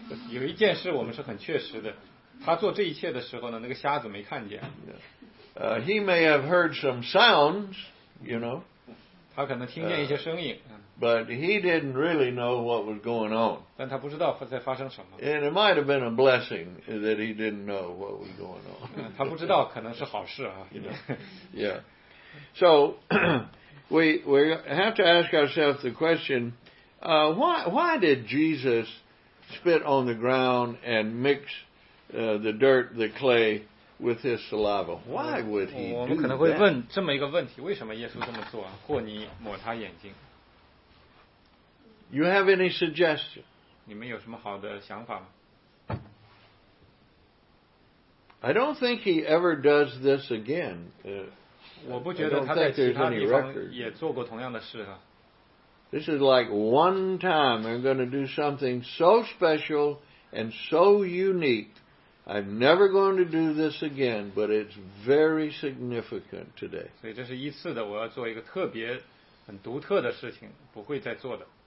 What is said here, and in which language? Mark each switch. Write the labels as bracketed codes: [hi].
[zh] 有一件事我们是很确实的，他做这一切的时候呢，那个瞎子没看见。 [en] He may have heard some sounds, you know. [zh] 他可能听见一些声音。 [en] But he didn't really know what was going on. [zh] 但他不知道在发生什么。 [en] And it might have been a blessing that he didn't know what was going on. [zh] 他不知道可能是好事啊。 [en] You know? Yeah. So, we have to ask ourselves the question, why did Jesus spit on the ground and mix the dirt, the clay, with his saliva? Why would he do that? [zh] 我们可能会问这么一个问题，为什么耶稣这么做，和泥抹他眼睛？ [en] You have any suggestion? [zh] 你们有什么好的想法吗？ [en] I don't think he ever does this again. [zh] 我不觉得他在其他地方也做过同样的事啊。 [en] This is like one time I'm going to do something so special and so unique. I'm never going to do this again, but it's very significant today. [zh] 所以这是一次的，我要做一个特别很独特的事情，不会再做的。